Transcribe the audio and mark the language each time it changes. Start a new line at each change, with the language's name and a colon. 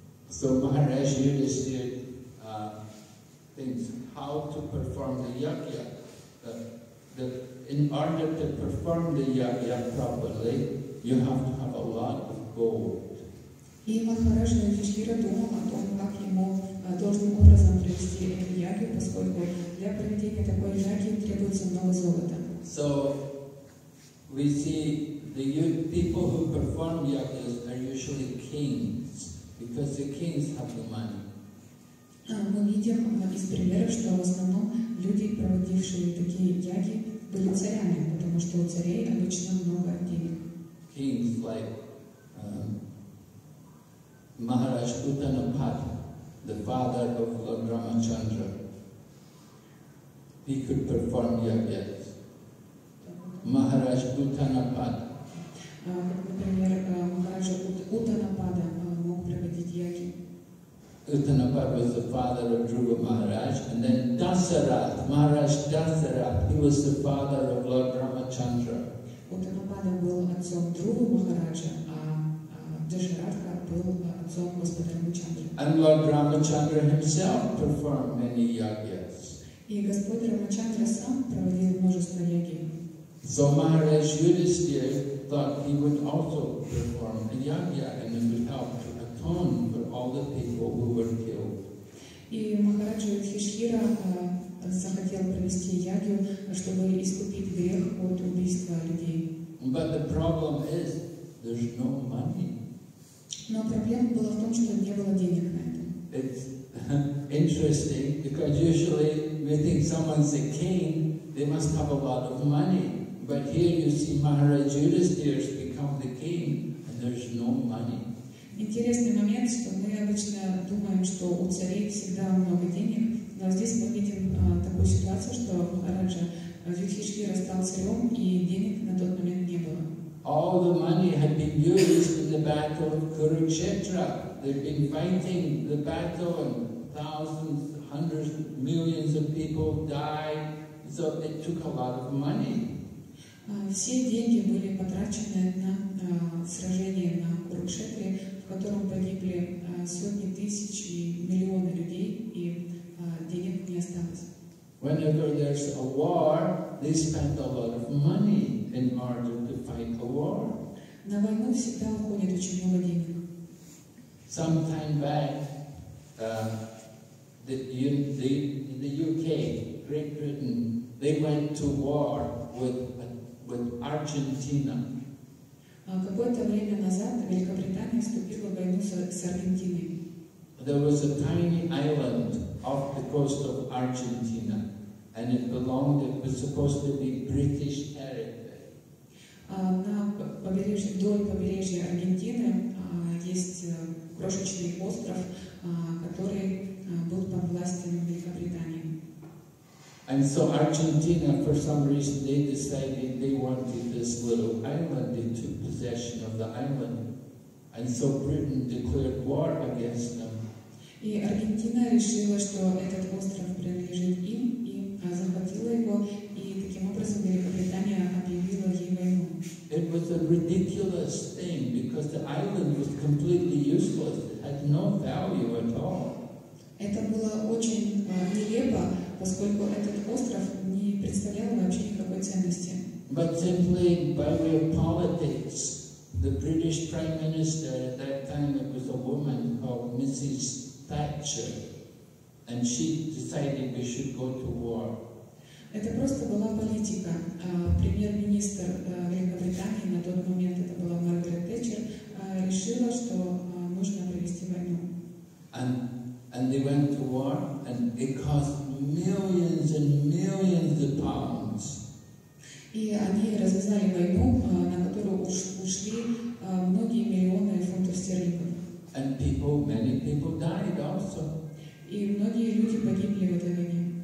English: So Maharaj Yudhisthira thinks how to perform the yagya. In order to perform the yagya properly, you have to have a lot of gold.
Russian: И Махарадж Юдхиштхира думал о том, как ему должным образом провести эту ягью, поскольку для проведения такой ягьи требуется много золота.
English: So we see the people who perform yagyas are usually kings, because the kings have the money.
Russian: Мы видим из примеров, что в основном люди, проводившие такие яги, были царями, потому что у царей обычно много денег.
English: Kings like Maharaj Uttanapada, the father of Lord Ramachandra, he could perform yagyas. Maharaj Uttanapada.
Russian: Например, Maharaj Uttanapada мог проводить яги.
English: Uttanapada was the father of Dhruva Maharaj, and then Dasarath, Maharaj Dasarath, he was the father of Lord Ramachandra.
Russian: Uttanapada был отцом Dhruva Maharaja, а Dasaratha был отцом Господа Рамачандры.
English: And Lord Ramachandra himself performed many yagyas.
Russian: И Господь Рамачандра сам проводил множество яги.
English: So Maharaj Yudhisthira thought he would also perform a yagya and it would help to atone for all the people who were killed.
Russian: И Махарадж Юдхиштхира захотел провести ягью, чтобы искупить грех от убийства людей.
English: But the problem is, there's no money.
Russian: Но проблема была в том, что не было денег на это.
English: It's interesting, because usually we think someone's a king, they must have a lot of money. But here you see Maharaj Yudhisthira become the king, and there's no money.
Russian: Интересный момент, что мы обычно думаем, что у царей всегда много денег, но здесь мы видим такую ситуацию, что Махарадж Юдхиштхира стал царем, и денег на тот момент не было.
English: All the money had been used in the battle of Kurukshetra. They've been fighting the battle, and thousands, hundreds, millions of people died. So it took a lot of money.
Russian: Все деньги были потрачены на сражение на Курукшетре, в котором погибли сотни тысяч и миллионы людей, и денег не осталось.
English: Whenever there's a war, they spend a lot of money in order to fight a war.
Russian: На войну всегда уходит очень много денег.
English: Some time back, the UK, Great Britain, they went to war with Argentina.
Russian: Какое-то время назад Великобритания вступила в войну с Аргентиной.
English: There was a tiny island off the coast of Argentina, and it belonged, it was supposed to be British territory.
Russian: На побережье, вдоль побережья Аргентины есть крошечный остров, который был под властью Великобритании.
English: And so Argentina, for some reason, they decided they wanted this little island. They took possession of the island. And so Britain declared war against them.
Russian: И Аргентина решила, что этот остров принадлежит им, и захватила его, и таким образом Великобритания объявила ей войну.
English: It was a ridiculous thing, because the island was completely useless. It had no value at all.
Russian: Это было очень нелепо, поскольку этот остров не представлял вообще никакой ценности.
English: But simply by way of politics, the British Prime Minister at that time, it was a woman called Mrs. Thatcher, and she decided we should go to war.
Russian: Это просто была политика. Премьер-министр Великобритании на тот момент, это была Маргарет Тэтчер, решила, что нужно провести войну.
English: And they went to war, and it cost millions and millions of pounds.
Russian: И они развязали войну, на которую ушли многие миллионы фунтов стерлингов.
English: And people, many people died also.
Russian: И многие люди погибли в этой войне.